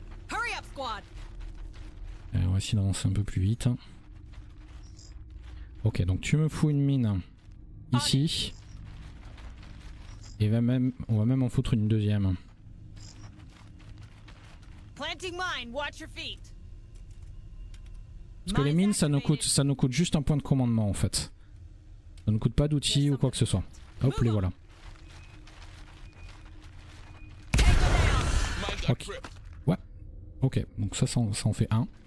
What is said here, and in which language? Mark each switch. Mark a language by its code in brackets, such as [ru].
[en] Hurry up, squad. [fr] Allez, on va essayer d'avancer un peu plus vite. Ok, donc tu me fous une mine ici. Et on va même en foutre une deuxième. [en] Planting mine, watch your feet. [fr] Parce que les mines, ça nous coûte juste un point de commandement en fait. Ça ne coûte pas d'outils ou quoi que ce soit. Hop, les voilà. Ok. Ouais. Ok, donc ça en fait un.